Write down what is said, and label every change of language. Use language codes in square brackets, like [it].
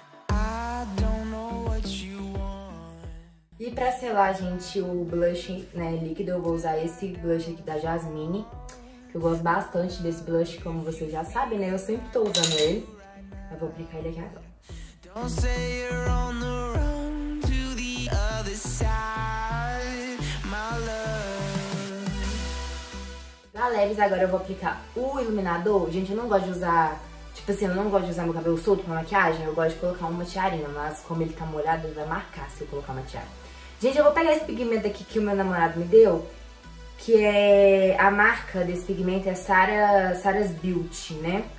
[en] I don't know what you want. [pt] E pra selar, gente, o blush, né, líquido, eu vou usar esse blush aqui da Jasmine. Eu gosto bastante desse blush, como você já sabe, né? Eu sempre tô usando ele. Eu vou aplicar ele aqui agora. [en] Don't say you're on the run to the other side, my love. [pt] Galeras, agora eu vou aplicar o iluminador. Gente, eu não gosto de usar, tipo assim, eu não gosto de usar meu cabelo solto pra maquiagem. Eu gosto de colocar uma tiarinha, mas como ele tá molhado, ele vai marcar se eu colocar uma tiara. Gente, eu vou pegar esse pigmento aqui que o meu namorado me deu, que é a marca desse pigmento, é Sarah's Beauty, né?